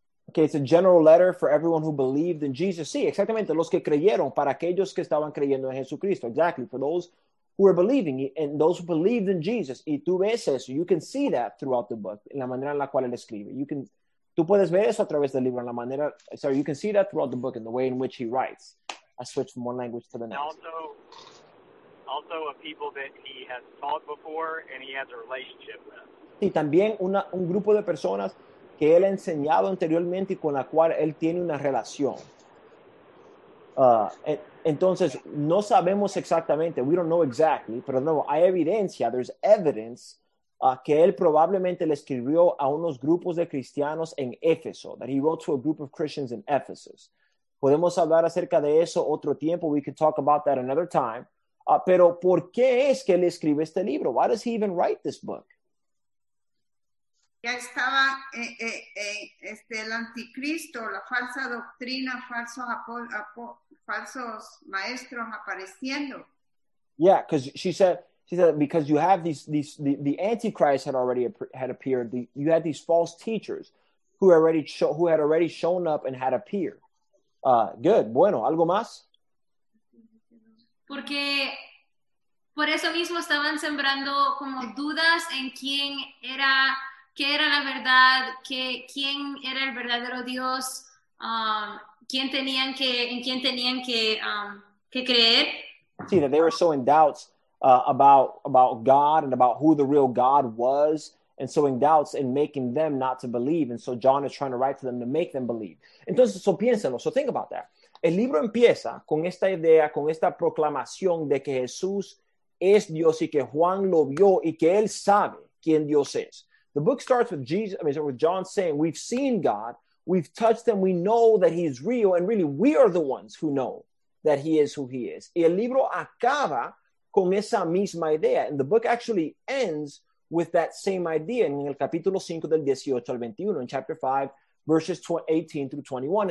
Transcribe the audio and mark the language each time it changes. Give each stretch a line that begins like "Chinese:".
English: Okay, it's a general letter for everyone who believed in Jesus.
Spanish: Sí, exactamente, los que creyeron, para aquellos que estaban creyendo en Jesucristo.
English: Exactly, for those who were believing and those who believed in Jesus.
Spanish: Y tú ves eso,
English: you can see that throughout the book,
Spanish: en la manera en la cual él escribe.
English: You can,
Spanish: tú puedes ver eso a través del libro, en la manera,
English: sorry, you can see that throughout the book in the way in which he writes. I switched from one language to the next. Also a people that he has taught before and he has a relationship with.
Spanish: Sí, también un grupo de personas que él ha enseñado anteriormente y con la cual él tiene una relación. Entonces, no sabemos exactamente,
English: we don't know exactly,
Spanish: pero no, hay evidencia,
English: there's evidence,
Spanish: que él probablemente le escribió a unos grupos de cristianos en Éfeso,
English: that he wrote to a group of Christians in Ephesus.
Spanish: Podemos hablar acerca de eso otro tiempo,
English: we could talk about that another time.
Spanish: Pero, ¿por qué es que él escribe este libro?
English: Why does he even write this book?
Spanish: Ya estaba el anticristo, la falsa doctrina, falsos maestros apareciendo.
English: Yeah, because she said because you have the antichrist had already appeared. You had these false teachers who had already shown up and had appeared.
Spanish: Good. Bueno, ¿algo más? Porque por eso mismo estaban sembrando como dudas en quién era, qué era la verdad, quién era el verdadero Dios, en quién tenían que creer.
English: See, that they were so in doubts about God and about who the real God was, and so in doubts in making them not to believe. And so John is trying to write to them to make them believe.
Spanish: Entonces,
English: so
Spanish: piénsenlo,
English: so think about that.
Spanish: El libro empieza con esta idea, con esta proclamación de que Jesús es Dios y que Juan lo vio y que él sabe quién Dios es.
English: The book starts with John saying, we've seen God, we've touched him, we know that he's real, and really we are the ones who know that he is who he is.
Spanish: Y el libro acaba con esa misma idea,
English: and the book actually ends with that same idea
Spanish: en el capítulo 5 del 18 al 21,
English: in chapter 5, verses 18 through 21.